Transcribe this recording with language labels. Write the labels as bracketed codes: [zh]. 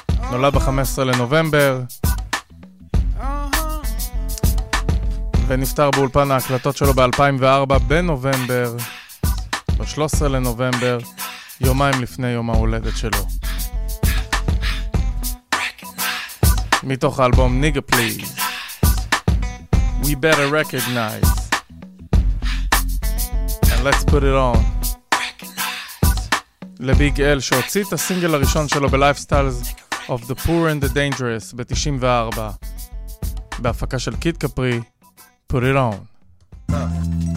[he] נולד ב-15 לנובמבר ונפטר באולפן ההקלטות שלו ב-2004 בנובמבר, ב-13 לנובמבר, יומיים לפני יום ההולדת שלו. מתוך האלבום Nigga Please, We Better Recognize. [en] Let's put it on. [he] לביג אל שהוציא את הסינגל הראשון שלו ב-Lifestyles of the Poor and the Dangerous ב-94 בהפקה של קיד קפרי, Put it on.